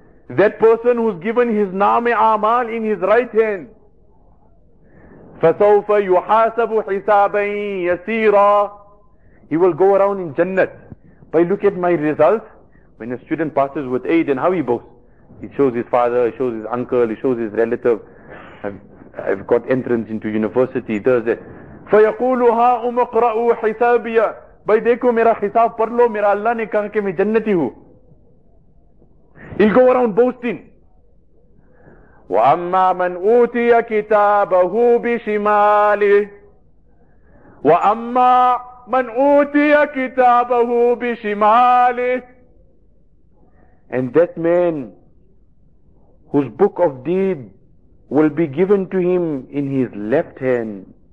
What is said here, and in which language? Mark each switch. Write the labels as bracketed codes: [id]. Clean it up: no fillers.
[en] That person who's given his name amal in his right hand, [ar] فَسَوْفَ يُحَاسَبُ حِسَابًا يَسِيرًا. [en] He will go around in Jannat. But look at my result. When a student passes with aid, and how he boasts. He shows his father, he shows his uncle, he shows his relative. I've got entrance into university, does it. [ar] فَيَقُولُ هَا أُمَقْرَأُ حِسَابِيَا. [ur] بھائی دیکھو میرا حساب پڑھ لو, میرا اللہ نے کہا کہ میں جنتی ہوں. [en] He'll go around boasting. [ar] وَأَمَّا مَنْ أُوْتِيَ كِتَابَهُ بِشِمَالِهِ. وَأَمَّا مَنْ أُوْتِيَ كِتَابَهُ بِشِمَالِهِ. [en] And that man whose book of deed will be given to him in his left hand.